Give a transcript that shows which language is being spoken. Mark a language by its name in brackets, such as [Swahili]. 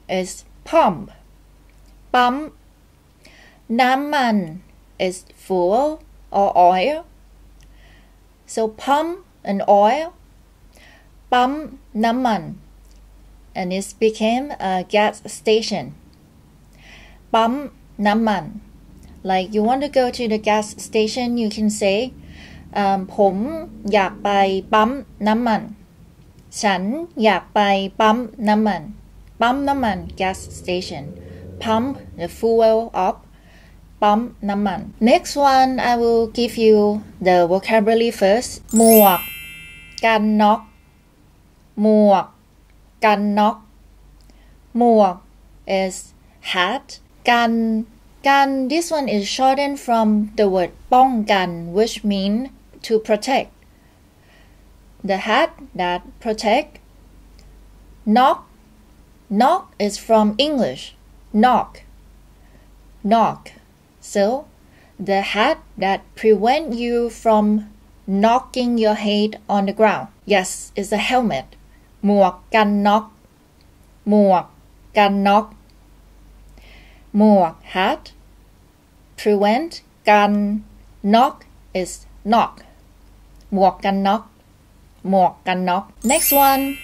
[English] It's pump. Pump. Namman is fuel or oil. So pump and oil, pump namman, and it became a gas station. [Thai] Pump namman. [English] Like you want to go to the gas station, you can say [Thai] ผมอยากไปปั๊มน้ำมัน [English] ฉันอยากไปปั๊มน้ำมันปั๊มน้ำมัน gas station. Pump the fuel up. Pump namman. Next one, I will give you the vocabulary first. [Thai] หมวกกันน็อกหมวกกันน็อกหมวก [English] is hat. กัน this one is shortened from the word ป้องกัน, which mean to protect. The hat that protect. Knock is from English. Knock. So, the hat that prevent you from knocking your head on the ground. Yes, it's a helmet. [Thai] หมวกกันน็อกหมวกกันน็อกหมวก [English] hat prevent [Thai] กันน็อก [English] is knock. [Thai] หมวกกันน็อกหมวกกันน็อก [English] Next one.